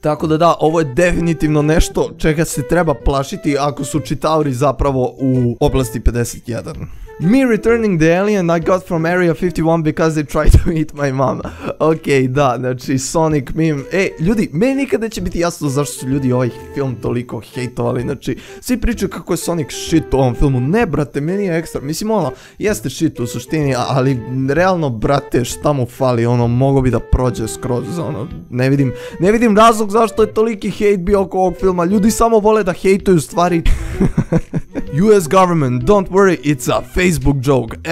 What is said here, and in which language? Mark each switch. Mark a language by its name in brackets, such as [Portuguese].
[Serbian] Tako da, ovo je definitivno nešto čega se treba plašiti ako su Chitauri zapravo u oblasti 51. Jedan. [English] Me returning the alien I got from Area 51 because they tried to eat my mom. [Serbian] Okej, da, znači, Sonic meme. E, ljudi, meni nikada neće biti jasno zašto su ljudi ovaj film toliko hejtovali. Znači, svi pričaju kako je Sonic shit u ovom filmu. Ne, brate, meni je ekstra. Mislim, ono, jeste shit u suštini, ali realno, brate, šta mu fali, ono, mogo bi da prođe skroz, ono, ne vidim razlog zašto je toliki hejt bio oko ovog filma. Ljudi samo vole da hejtuju stvari. [English] US government, don't worry, it's a Facebook joke.